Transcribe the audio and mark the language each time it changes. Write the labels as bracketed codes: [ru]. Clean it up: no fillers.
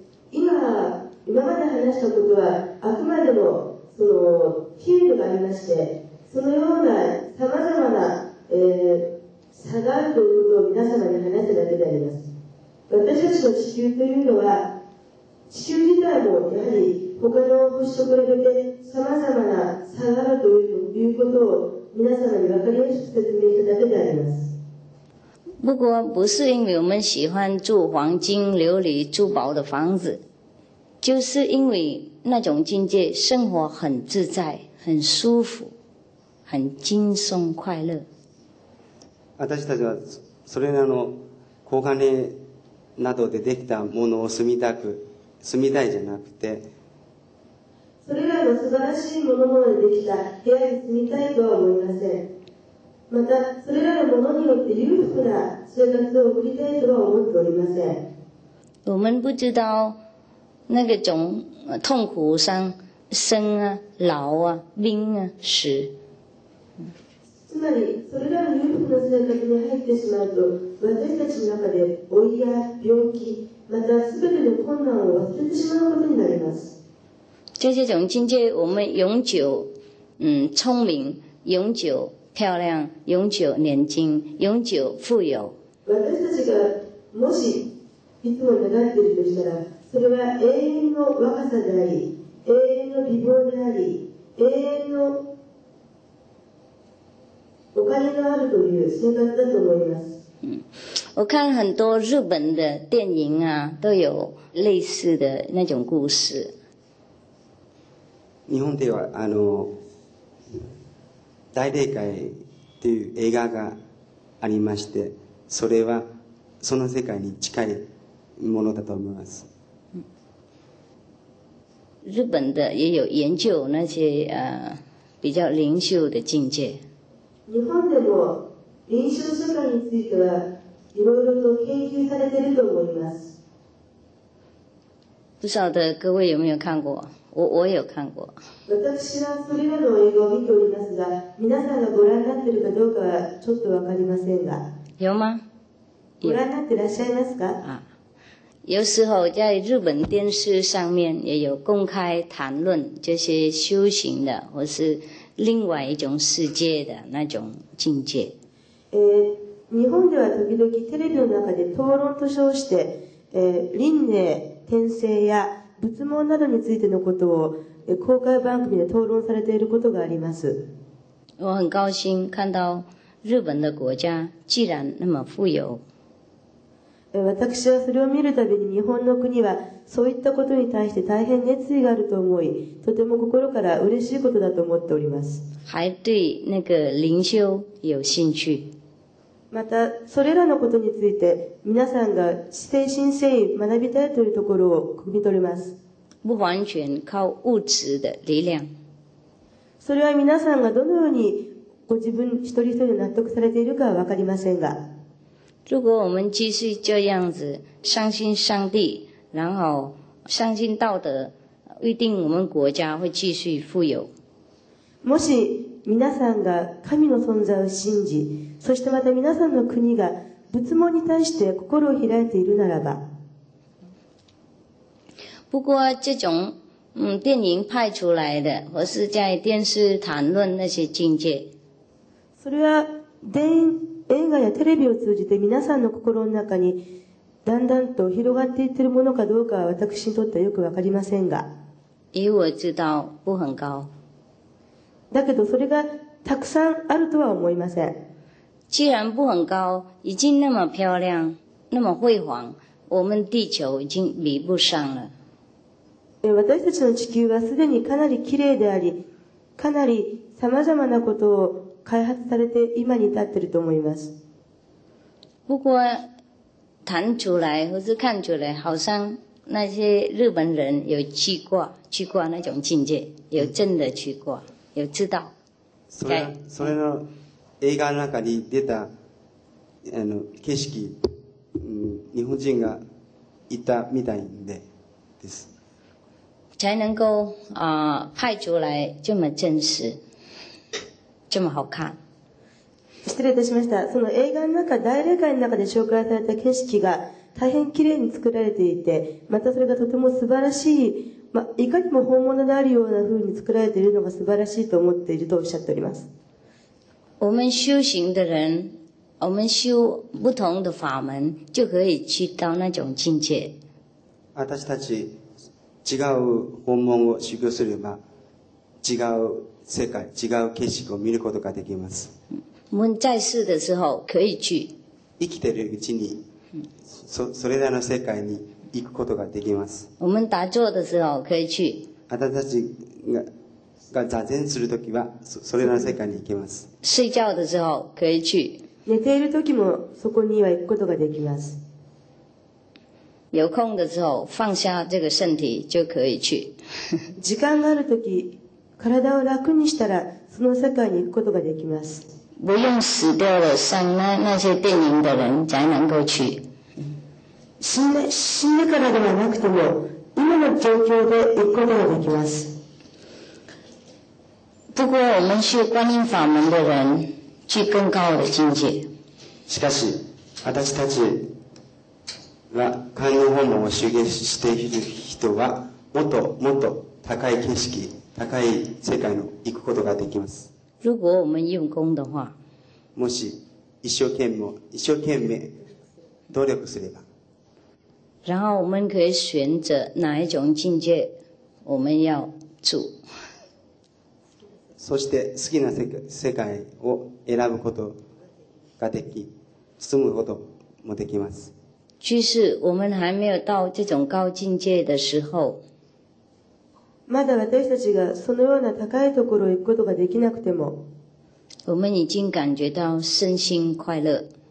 [ja] 今まで話したことはあくまでもその比喩がありまして、そのようなさまざまな差があるということを皆様に話しただけであります。私たちの地球というのは、地球自体もやはり他の星と比べてさまざまな差があるということを皆様に分かりやすく説明しただけであります。 [zh] 不过不是因为我们喜欢住黄金、琉璃、珠宝的房子，就是因为那种境界生活很自在、很舒服、很轻松快乐。 [ja] 私たちはそれらの高金などでできたものを住みたく、住みたいじゃなくて。それらの素晴らしいものまでできた部屋に住みたいとは思いません。また、それらのものによって裕福な生活を送りたいとは思っておりません。 [zh] 我们不知道那个种痛苦上生啊、老啊、病啊、死。 [ja] つまり、それらの裕福な生活に入ってしまうと、私たちの中で老いや病気、またすべての困難を忘れてしまうことになります。 [zh] 就这种境界，我们永久，聪明，永久漂亮，永久年轻，永久富有。 [ja] 私たちがもしいつも願っているとしたら、それは永遠の若さであり、永遠の美貌であり、永遠のお金があるという生活だと思います。 [zh] 我看很多日本的电影啊，都有类似的那种故事。 [ja] 日本では大霊界という映画がありまして、それはその世界に近いものだと思います。 [zh] 日本的也有研究那些比较灵修的境界。 [ja] 日本でも臨終社会についてはいろいろと研究されていると思います。 [zh] 不晓得各位有没有看过？我有看过。 [ja] 私はそれらの映画を見ておりますが、皆さんがご覧になっているかどうかはちょっとわかりませんが。 [zh] 有吗？ [ja] ご覧になっていらっしゃいますか？ [zh] 有时候在日本电视上面也有公开谈论这些修行的，或是另外一种世界的那种境界。 [ja] 日本では時々テレビの中で討論と称して、輪廻転生や仏門などについてのことを公開番組で討論されていることがあります。 [zh] 我很高兴看到日本的国家既然那么富有。 [ja] 私はそれを見るたびに日本の国はそういったことに対して大変熱意があると思い、とても心から嬉しいことだと思っております。 [zh] 还对那个灵修有兴趣。 [ja] またそれらのことについて皆さんが誠心誠意学びたいというところを汲み取れます。 [zh] 不完全靠物质的力量。 [ja] それは皆さんがどのようにご自分一人一人納得されているかは分かりませんが。 [zh] 如果我们继续这样子相信上帝，然后相信道德，一定我们国家会继续富有。 [ja] もし皆さんが神の存在を信じ、そしてまた皆さんの国が仏門に対して心を開いているならば。 [zh] 不过这种电影拍出来的，或是在电视谈论那些境界， [ja] それは映画やテレビを通じて皆さんの心の中にだんだんと広がっていっているものかどうかは私にとってはよくわかりませんが。 [zh] 因为我知道不很高。 [ja] だけどそれがたくさんあるとは思いません。 [zh] 既然不很高、已经那么漂亮、那么辉煌、我们地球已经比不上了。 [ja] 私たちの地球はすでにかなり綺麗であり、かなり様々なことを開発されて今に至っていると思います。 [zh] 不过谈出来或是看出来，好像那些日本人有去过那种境界，有真的去过。有知道 [ja] それの映画の中に出たあの景色、日本人がいたみたいでです。 [zh] 才能够拍出来这么真实这么好看。 [ja] 失礼いたしました。その映画の中、大映画の中で紹介された景色が大変綺麗に作られていて、またそれがとても素晴らしい、いかにも本物であるような風に作られているのが素晴らしいと思っているとおっしゃっております。 [zh] 我们修行的人、我们修不同的法门就可以去到那种境界。 [ja] 私たち違う法門を修行すれば違う世界、違う景色を見ることができます。 [zh] 我们在世的时候可以去、 [ja] 生きているうちにそれらの世界に行くことができます。 [zh] 我们打坐的时候可以去、 [ja] 私たちが座禅するときはそれらの世界に行けます。 [zh] 睡觉的时候可以去、 [ja] 寝ているときもそこには行くことができます。 [zh] 有空的时候放下这个身体就可以去 [ja] 時間があるとき体を楽にしたらその世界に行くことができます。 [zh] 不用死掉了像 那些电影的人才能够去。 [ja] 死んでからではなくても今の状況で行くことができます。 [zh] 不过我们修观音法门的人去更高的境界。 [ja] しかし私たちが観音法門を修行している人はもっともっと高い景色、高い世界に行くことができます。 [zh] 如果我们用功的话、 [ja] もし一生懸命努力すれば、 [zh] 然后我们可以选择哪一种境界我们要住。 [ja] そして好きな世界を選ぶことができ、住むこともできます。 [zh] 居士、我们还没有到这种高境界的时候。 [ja] まだ私たちがそのような高いところへ行くことができなくても。 [zh] 我们已经感觉到身心快乐。